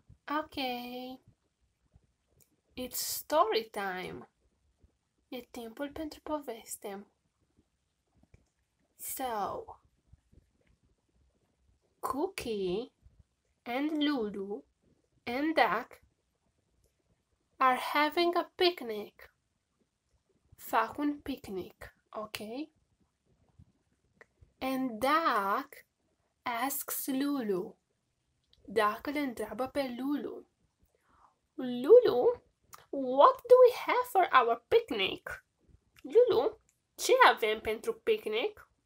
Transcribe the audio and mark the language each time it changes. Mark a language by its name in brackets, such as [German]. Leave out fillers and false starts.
[English] Okay. It's story time. [Romanian] E timpul pentru poveste. [English] So, Cookie and Lulu and Duck are having a picnic. [Romanian] Fac un picnic, [English] okay? And Duck asks Lulu. [Romanian] Duck îl întreabă pe Lulu. [English] Lulu, what do we have for our picnic? [Romanian] Lulu, ce avem pentru picnic?